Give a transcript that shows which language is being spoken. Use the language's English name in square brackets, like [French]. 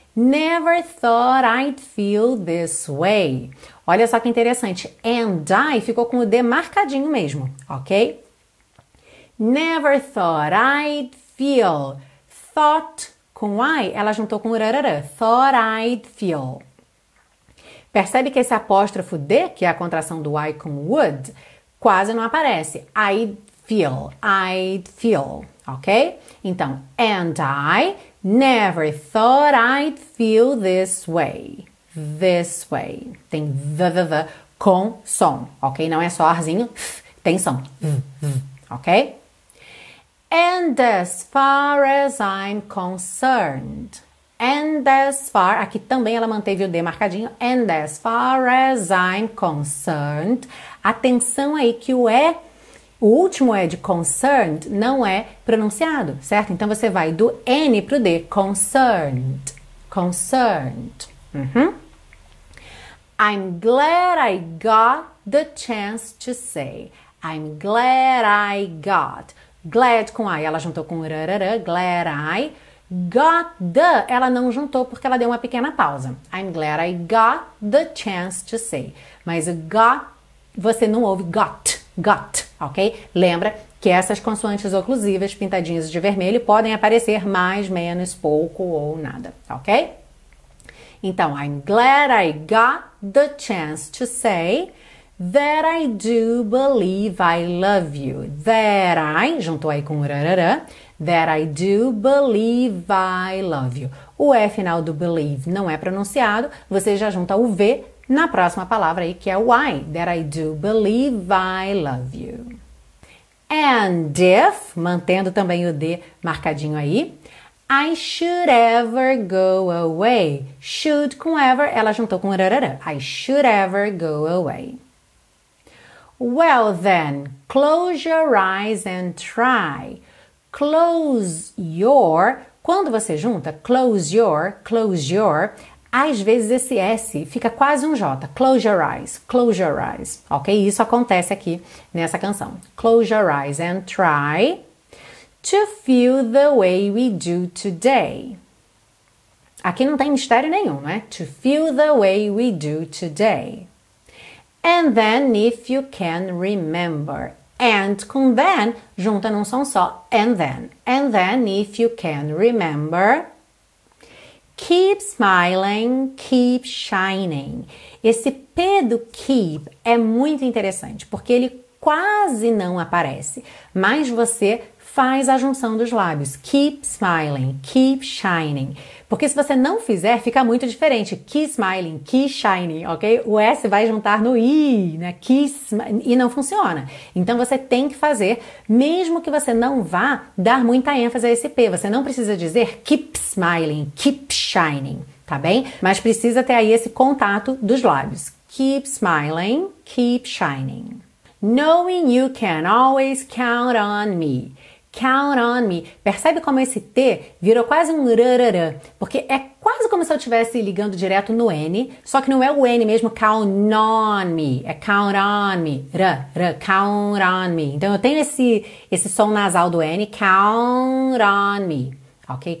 [English] Never thought I'd feel this way. [Portuguese] Olha só que interessante. [English] And I [Portuguese] ficou com o D marcadinho mesmo, ok? [English] Never thought I'd feel. [Portuguese] Thought com I, ela juntou com o rarara. [English] Thought I'd feel. [Portuguese] Percebe que esse apóstrofo D, que é a contração do I com would, quase não aparece. [English] I'd feel, ok? [Portuguese] Então, and I. [English] Never thought I'd feel this way. This way. [Portuguese] Tem v-v-v com som, ok? Não é só arzinho, tem som. Ok? [English] And as far as I'm concerned. And as far. [Portuguese] Aqui também ela manteve o D marcadinho. [English] And as far as I'm concerned. [Portuguese] Atenção aí que o E. O último é de concerned, não é pronunciado, certo? Então você vai do N para o D. [English] Concerned. Concerned. I'm glad I got the chance to say. I'm glad I got. [Portuguese] Glad com I, ela juntou com rarara. [English] Glad I. [Portuguese] Got the, ela não juntou porque ela deu uma pequena pausa. [English] I'm glad I got the chance to say. [Portuguese] Mas o got, você não ouve got. Got, ok? Lembra que essas consoantes oclusivas pintadinhas de vermelho podem aparecer mais, menos, pouco ou nada, ok? [English] Então, I'm glad I got the chance to say that I do believe I love you. That I, [Portuguese] juntou aí com o rarara, [English] that I do believe I love you. [Portuguese] O E final do believe não é pronunciado, você já junta o V. Na próxima palavra aí, que é o I, [English] that I do believe I love you. And if, [Portuguese] mantendo também o D marcadinho aí, [English] I should ever go away. [Portuguese] Should com ever, ela juntou com rarara. [English] I should ever go away. Well then, close your eyes and try. [Portuguese] Close your, quando você junta, [English] close your, [Portuguese] às vezes esse S fica quase um J. [English] Close your eyes, [Portuguese] ok? Isso acontece aqui nessa canção. [English] Close your eyes and try to feel the way we do today. [Portuguese] Aqui não tem mistério nenhum, né? [English] To feel the way we do today. And then if you can remember. And com then, [Portuguese] junta num som só. [English] And then if you can remember. Keep smiling, keep shining. [Portuguese] Esse P do keep é muito interessante, porque ele quase não aparece, mas você faz a junção dos lábios. [English] Keep smiling, keep shining. [Portuguese] Porque se você não fizer, fica muito diferente. [English] Keep smiling, keep shining, ok? [Portuguese] O S vai juntar no I, né? Keep e não funciona. Então você tem que fazer, mesmo que você não vá dar muita ênfase a esse P. Você não precisa dizer [English] keep smiling, keep shining, [Portuguese] tá bem? Mas precisa ter aí esse contato dos lábios. [English] Keep smiling, keep shining. Knowing you can always count on me. Count on me. [Portuguese] Percebe como esse T virou quase um rarara, porque é quase como se eu estivesse ligando direto no N, só que não é o N mesmo, [English] count on me. [Portuguese] É [English] count on me. [Portuguese] Rara, count on me. Então eu tenho esse som nasal do N, [English] count on me. [Portuguese] Ok?